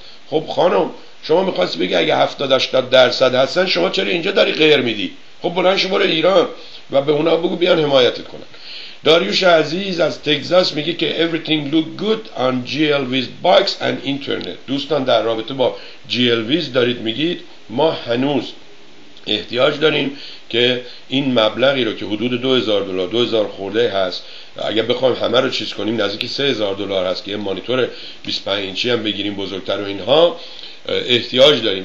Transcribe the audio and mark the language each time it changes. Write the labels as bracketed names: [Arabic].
[Persian] خب خانم شما میخواستی بگی اگه 70-80% هستن شما چرا اینجا داری غیر میدی؟ خب بلند شو برو ایران و به اونا بگو بیان حمایتت کنن. داریوش عزیز از تگزاس میگه که [English] everything look good on GL with bikes and internet. [Persian] دوستان در رابطه با GL with دارید میگید، ما هنوز احتیاج داریم که این مبلغی رو که حدود 2000 دلار، 2000 خورده هست، اگه بخوایم همه رو چیز کنیم نزدیک 3000 دلار هست که یه مانیتور 25 اینچی هم بگیریم بزرگتر و اینها، احتیاج داریم.